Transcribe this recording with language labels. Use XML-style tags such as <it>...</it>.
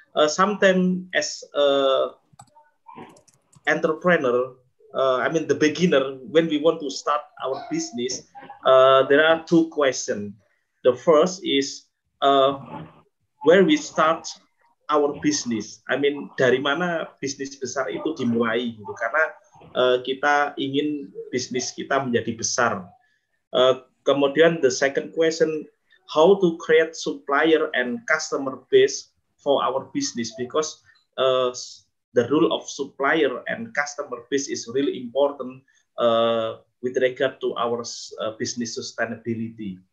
<en>Sometimes as a entrepreneur, I mean the beginner, when we want to start our business, there are two questions. The first is where we start our business. I mean,</en> <id>dari mana bisnis besar itu dimulai, gitu? Karena kita ingin bisnis kita menjadi besar. Kemudian</id> <en>the second question, how to create supplier and customer base for our business, because the role of supplier and customer base is really important with regard to our business sustainability.</en>